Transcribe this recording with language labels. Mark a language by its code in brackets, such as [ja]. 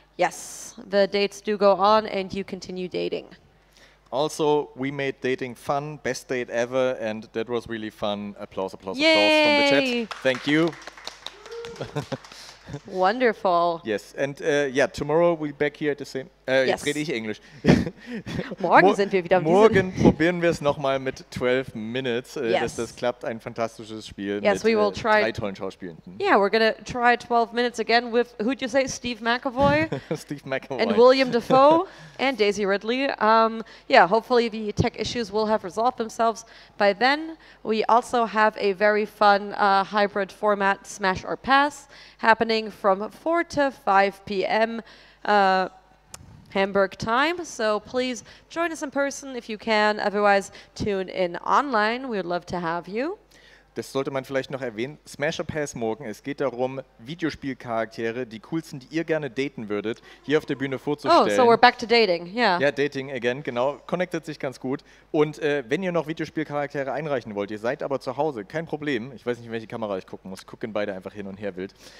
[en] Yes, the dates do go on and you continue dating. Also, we made dating fun, best date ever, and that was really fun. Applause, applause, yay! Applause from the chat. Thank you. Wonderful. Yes, and yeah, tomorrow we'll be back here at the same... Yes. [de] Jetzt rede ich Englisch. Morgen sind wir wieder. Morgen probieren wir es nochmal mit 12 Minutes, dass das klappt. Ein fantastisches Spiel mit drei tollen Schauspielern. [en] Yeah, we're gonna try 12 Minutes again with, who'd you say, Steve McAvoy? Steve McAvoy. And William Dafoe and Daisy Ridley. Yeah, hopefully the tech issues will have resolved themselves by then. We also have a very fun hybrid format, Smash or Pass, happening from 4 to 5 p.m. Hamburg time, so please join us in person if you can, otherwise tune in online, we would love to have you. [de] Das sollte man vielleicht noch erwähnen, Smash or Pass morgen, es geht darum, Videospielcharaktere, die coolsten, die ihr gerne daten würdet, hier auf der Bühne vorzustellen. [en] Oh, so we're back to dating, yeah. [de] Ja, [en] dating again, [de] genau, connectet sich ganz gut. Und wenn ihr noch Videospielcharaktere einreichen wollt, ihr seid aber zu Hause, kein Problem, ich weiß nicht, in welche Kamera ich gucken muss, gucken beide einfach hin und her wild.